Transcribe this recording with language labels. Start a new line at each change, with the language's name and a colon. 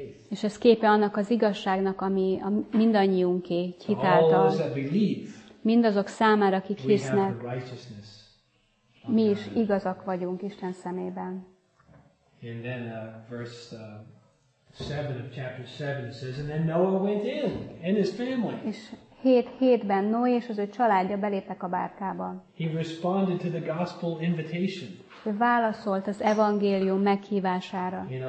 Hungarian: És ez képe annak az igazságnak, ami a mindannyiunké, hitáltal. Mindazok számára, akik hisznek, mi is igazak vagyunk Isten szemében.
English: And then verse 7 of chapter 7 says, and then Noah went in and his family.
Hungarian: És 7:7-ben Noé és az ő családja beléptek a bárkába.
English: He responded to the gospel invitation.
Hungarian: Ő válaszolt az evangélium meghívására.